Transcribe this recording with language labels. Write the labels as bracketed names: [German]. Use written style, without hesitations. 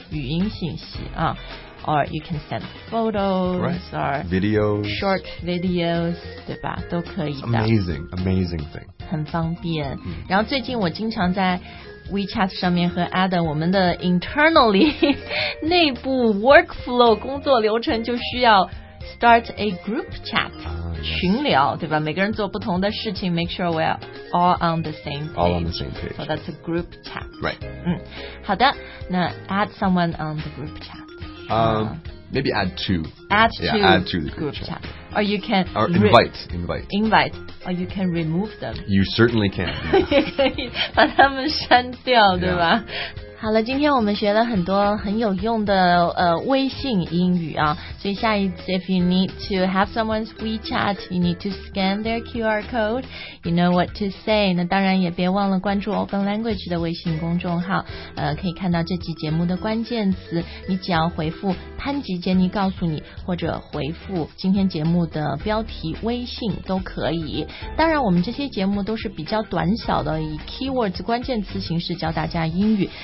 [Chinese] 语音信息啊 [English] Or you can send photos、 right. or videos, short videos, [Chinese] 对吧？都可以的。 [English] Amazing, amazing thing. [Chinese] 很方便。Mm. 然后最近我经常在 WeChat 上面和 Adam 我们的 internally 内部 workflow 工作流程就需要 [English] start a group chat、 yes. [Chinese] 群聊，对吧？每个人做不同的事情 [English] ，make sure we're all on the same page. All on the same page. So that's a group chat. Right. [Chinese] 嗯，好的。那 [English] add someone on the group chat. Maybe add to. Add yeah, to. Yeah, add to the group chat. Or you can... Or invite. Invite. Or you can remove them. You certainly can. [Chinese] 也可以把他们删掉，对吧？好了，今天我们学了很多很有用的微信英语啊。所以下一次 [English] if you need to have someone's WeChat, you need to scan their QR code, you know what to say. [Chinese] 那当然也别忘了关注 Open Language 的微信公众号，可以看到这期节目的关键词。你只要回复潘吉杰尼告诉你，或者回复今天节目的标题微信都可以。当然我们这些节目都是比较短小的，以 keywords 关键词形式教大家英语。